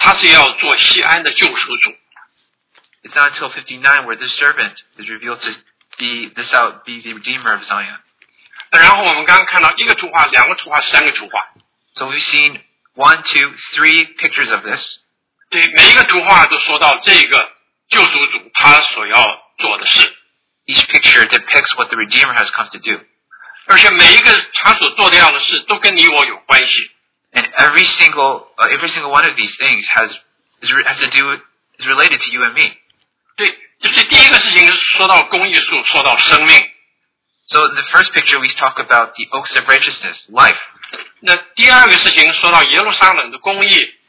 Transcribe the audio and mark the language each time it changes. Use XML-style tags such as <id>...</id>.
<zh>对，然后呢，到五十九，到了以赛亚五十九章说，这个仆人来啊，他是要做锡安的救赎主。</zh> <en>It's not until 59 where this servant is revealed to be this out be the redeemer of Zion.</en> <zh>然后我们刚刚看到一个图画，两个图画，三个图画。</zh> <en>So we've seen 1, 2, 3 pictures of this.</en> <zh>对，每一个图画都说到这个救赎主他所要做的事。</zh> <en>Each picture depicts what the Redeemer has come to do.</en> <zh>而且每一个他所做的样的事都跟你我有关系。</zh> <en>And every single one of these things has to do, is related to you and me.</en> <zh>对，就是第一个事情是说到公义树，说到生命。</zh> <en>So in the first picture we talk about the oaks of righteousness, life.</en> <zh>那第二个事情说到耶路撒冷的公义。</zh>